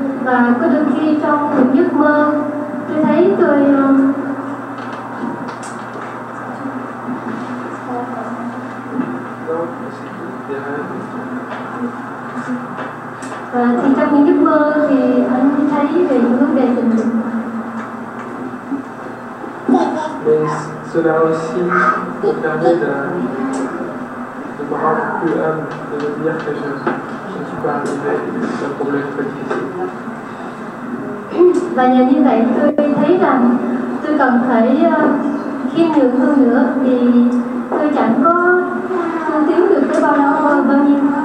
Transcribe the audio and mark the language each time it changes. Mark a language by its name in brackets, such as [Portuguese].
[Vietnamese] Và có đôi khi trong những giấc mơ, tôi thấy tôi thì trong những giấc mơ thì anh thấy về những vấn đề tình dục. [French] Mais cela aussi me permet de me rendre plus humble, de me dire que je ne suis pas arrivé, que c'est un problème très difficile. [Vietnamese] Và nhờ như vậy tôi thấy rằng tôi cần phải khiêm nhường hơn nữa vì tôi chẳng có tôi tiến được tới bao lâu hơn bao nhiêu.